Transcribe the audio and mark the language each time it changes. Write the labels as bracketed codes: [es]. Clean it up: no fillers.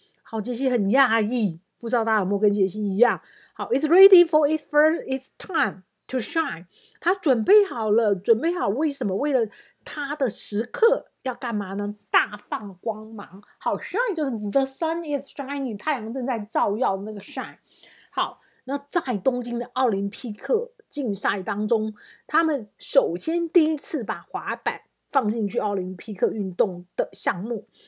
[zh] 好，杰西很讶异，不知道大家有没有跟杰西一样。 [en] 好 ，It's ready for its first its time to shine。 [zh] 它准备好了，准备好为什么？为了它的时刻要干嘛呢？大放光芒。好 ，shine 就是 [en] the sun is shining， [zh] 太阳正在照耀那个 shine。好，那在东京的奥林匹克。竞赛当中，他们首先第一次把滑板放进去奥林匹克运动的项目。